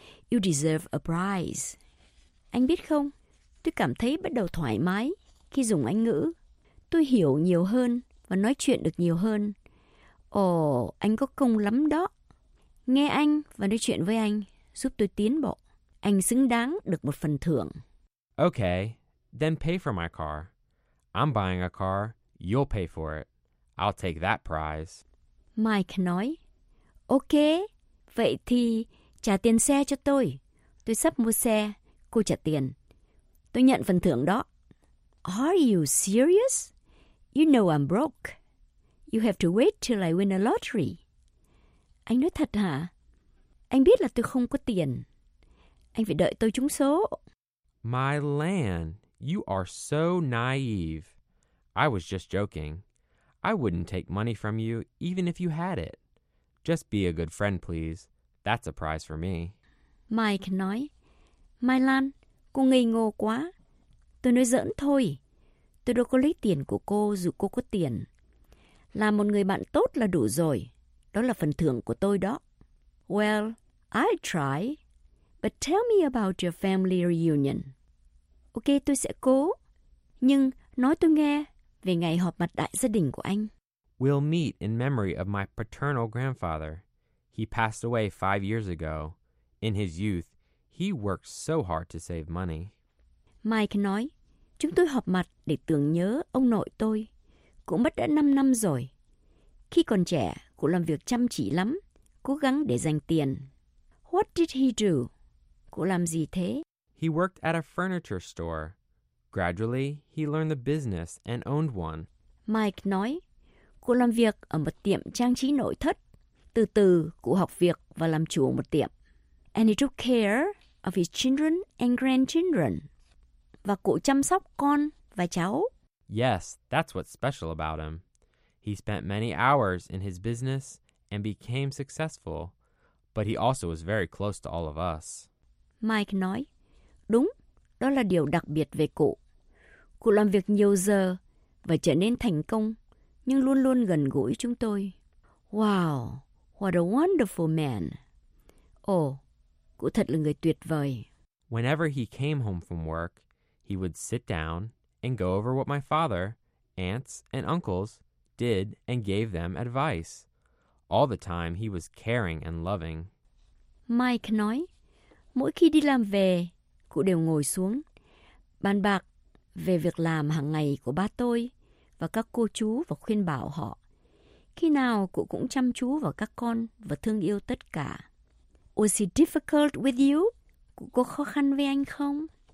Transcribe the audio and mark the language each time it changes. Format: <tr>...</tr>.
<en>You deserve a prize.</en> <vi>Anh biết không, tôi cảm thấy bắt đầu thoải mái khi dùng Anh ngữ. Tôi hiểu nhiều hơn và nói chuyện được nhiều hơn. Ồ, anh có công lắm đó. Nghe anh và nói chuyện với anh giúp tôi tiến bộ. Anh xứng đáng được một phần thưởng.</vi> <en>Okay, then pay for my car. I'm buying a car, you'll pay for it. I'll take that prize.</en> <vi>Mike nói, okay, vậy thì trả tiền xe cho tôi. Tôi sắp mua xe, cô trả tiền. Tôi nhận phần thưởng đó.</vi> <en>Are you serious? You know I'm broke. You have to wait till I win a lottery.</en> <vi>Anh nói thật hả? Anh biết là tôi không có tiền. Anh phải đợi tôi trúng số.</vi> <en>My Lan, you are so naive. I was just joking. I wouldn't take money from you even if you had it. Just be a good friend, please. That's a prize for me.</en> <vi>Mike nói, My Lan, cô ngây ngô quá. Tôi nói giỡn thôi. Tôi đâu có lấy tiền của cô dù cô có tiền. Là một người bạn tốt là đủ rồi. Đó là phần thưởng của tôi đó.</vi> <en>Well, I try. But tell me about your family reunion. Ok,</en> <vi>tôi sẽ cố. Nhưng nói tôi nghe về ngày họp mặt đại gia đình của anh.</vi> <en>We'll meet in memory of my paternal grandfather. He passed away 5 years ago. In his youth, he worked so hard to save money.</en> <vi>Mike nói, chúng tôi họp mặt để tưởng nhớ ông nội tôi. Cũng mất đã 5 năm rồi. Khi còn trẻ, cụ làm việc chăm chỉ lắm, cố gắng để dành tiền.</vi> <en>What did he do?</en> <vi>Cụ làm gì thế?</vi> <en>He worked at a furniture store. Gradually, he learned the business and owned one.</en> <vi>Mike nói, cụ làm việc ở một tiệm trang trí nội thất. Từ từ, cụ học việc và làm chủ một tiệm.</vi> <en>And he took care of his children and grandchildren.</en> <vi>Và cụ chăm sóc con và cháu.</vi> <en>Yes, that's what's special about him. He spent many hours in his business and became successful, but he also was very close to all of us.</en> <vi>Mike nói, đúng, đó là điều đặc biệt về cụ. Cụ làm việc nhiều giờ và trở nên thành công, nhưng luôn luôn gần gũi chúng tôi.</vi> <en>Wow, what a wonderful man.</en> <vi>Oh, cụ thật là người tuyệt vời.</vi> <en>Whenever he came home from work, he would sit down and go over what my father, aunts, and uncles did and gave them advice. All the time, he was caring and loving.</en> <vi>Mike nói, mỗi khi đi làm về, cụ đều ngồi xuống, bàn bạc về việc làm hàng ngày của ba tôi và các cô chú và khuyên bảo họ. Khi nào cụ cũng chăm chú vào các con và thương yêu tất cả.</vi> <en>Was he difficult with you?</en> <vi>Cụ có khó khăn với anh không?</vi>